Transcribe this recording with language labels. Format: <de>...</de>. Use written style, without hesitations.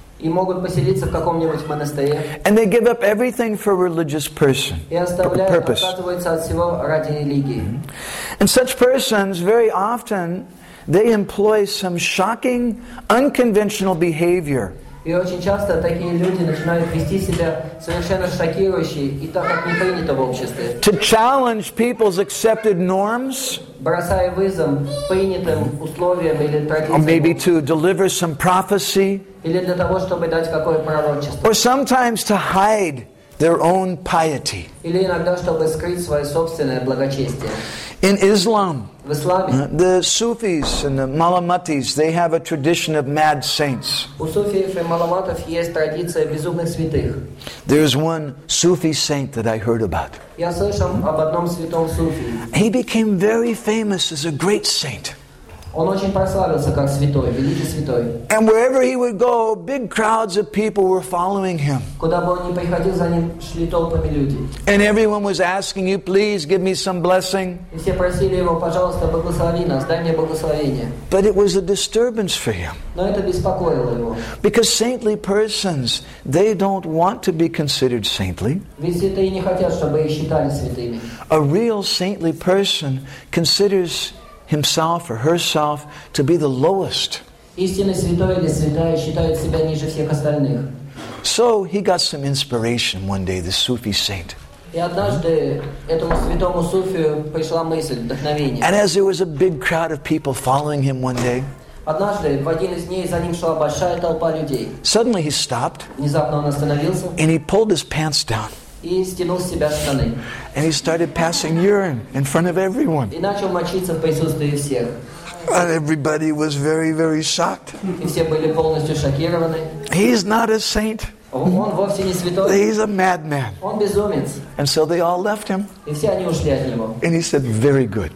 <ru>И могут поселиться в каком-нибудь монастыре.</ru> <en>And they give up everything for religious person.</en> <ru>И оставляют, отказываются от всего ради религии.</ru> <en>And such persons very often they employ some shocking, unconventional behavior.</en> <ru>И очень часто такие люди начинают вести себя совершенно шокирующе и так как не принято в обществе.</ru> <en>To challenge people's accepted norms.</en> <ru>Бросая вызов принятым условиям или традициям.</ru> <en>Or maybe to deliver some prophecy.</en> <ru>Или для того, чтобы дать какое-то пророчество.</ru> <en>Or sometimes to hide their own piety.</en> <ru>Или иногда, чтобы скрыть свое собственное благочестие.</ru> <en>In Islam,</en> <ru>в исламе,</ru> <en>the Sufis and the Malamatis, they have a tradition of mad saints.</en> <ru>У суфиев и маламатов есть традиция безумных святых.</ru> <en>There is one Sufi saint that I heard about.</en> <ru>Я слышал об одном святом суфи.</ru> <en>He became very famous as a great saint.</en> <ru>Он очень прославился как святой, великий святой.</ru> <en>And wherever he would go, big crowds of people were following him.</en> <ru>Куда бы он ни приходил, за ним шли толпами люди.</ru> <en>And everyone was asking you, please give me some blessing.</en> <ru>И все просили его, пожалуйста, благослови нас, дай мне благословение.</ru> <en>But it was a disturbance for him.</en> <ru>Но это беспокоило его.</ru> <en>Because saintly persons, they don't want to be considered saintly.</en> <ru>Ведь святые не хотят, чтобы их считали святыми.</ru> <en>A real saintly person considers himself or herself to be the lowest.</en> <ru>Истинный святой или святая считает себя ниже всех остальных.</ru> <en>So he got some inspiration one day, the Sufi saint.</en> <ru>И однажды этому святому суфию пришла мысль, вдохновение.</ru> <en>And as there was a big crowd of people following him one day,</en> <ru>однажды в один из дней за ним шла большая толпа людей.</ru> <en>Suddenly he stopped.</en> <ru>Внезапно он остановился.</ru> <en>And he pulled his pants down.</en> <ru>И стянул с себя штаны.</ru> <en>And he started passing urine in front of everyone.</en> <ru>И начал мочиться в присутствии всех.</ru> <en>And everybody was very, very shocked.</en> <ru>И все были полностью шокированы.</ru> <en>He's not a saint.</en> <ru>Он вовсе не святой.</ru> <en>He's a madman.</en> <ru>Он безумец.</ru> <en>And so they all left him.</en> <ru>И все они ушли от него.</ru> <en>And he said, very good.</en>